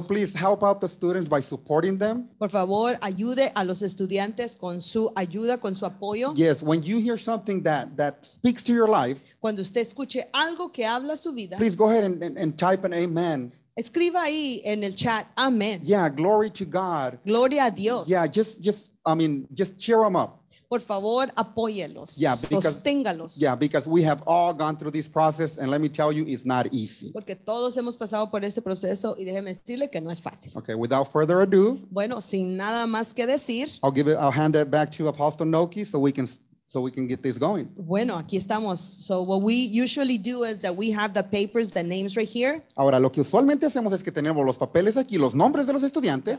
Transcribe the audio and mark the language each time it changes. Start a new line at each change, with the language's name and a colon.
English: So please help out the students by supporting them.
Spanish: Por favor, ayude a los estudiantes con su ayuda, con su apoyo.
English: Yes, when you hear something that speaks to your life.
Spanish: Cuando usted escuche algo que habla su vida.
English: Please go ahead and type an amen.
Spanish: Escriba ahí en el chat, amén.
English: Yeah, glory to God.
Spanish: Gloria a Dios.
English: Yeah, just cheer them up.
Spanish: Por favor, apóyelos, sosténgalos.
English: Yeah, because we have all gone through this process, and let me tell you, it's not easy.
Spanish: Porque todos hemos pasado por este proceso, y déjeme decirle que no es fácil.
English: Okay, without further ado.
Spanish: Bueno, sin nada más que decir.
English: I'll hand it back to Apostle Noki so we can get this going.
Spanish: Bueno, aquí estamos.
English: So what we usually do is that we have the papers, the names right here.
Spanish: Ahora, lo que usualmente hacemos es que tenemos los papeles aquí, los nombres de los estudiantes.